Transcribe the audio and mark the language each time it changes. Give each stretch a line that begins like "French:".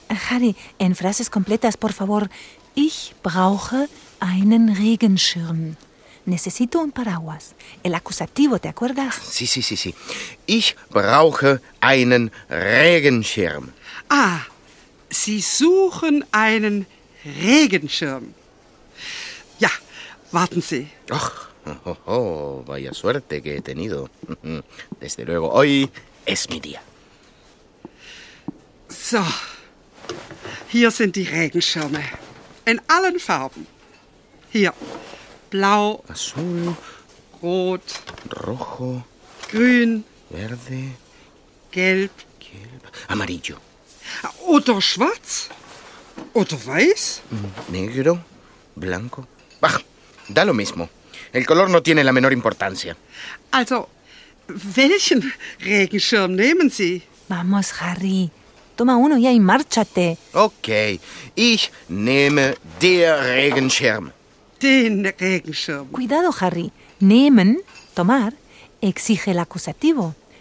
Spanish: Harry, en frases completas, por favor.
German: Ich brauche einen Regenschirm.
Spanish: Necesito un paraguas. El acusativo, ¿te acuerdas? Sí.
German: Ich brauche einen Regenschirm. Ah, Sie suchen einen Regenschirm. Ja, warten Sie.
Spanish: Ach, vaya suerte que he tenido. Desde luego, hoy es mi día.
German: So, hier sind die Regenschirme. In allen Farben. Hier. Blau.
Spanish: Azul.
German: Rot.
Spanish: Rojo.
German: Grün.
Spanish: Verde.
German: Gelb. Gelb.
Spanish: Amarillo.
German: Oder schwarz. Oder weiß.
Spanish: Negro. Blanco. Bah, da lo mismo. El color no tiene la menor importancia.
German: Also, welchen Regenschirm nehmen Sie?
Spanish: Vamos, Harry. Toma uno ya y márchate.
German: Okay, ich nehme der Regenschirm. Den Regenschirm.
Spanish: Cuidado, Harry. Nehmen, tomar, exige el acusativo.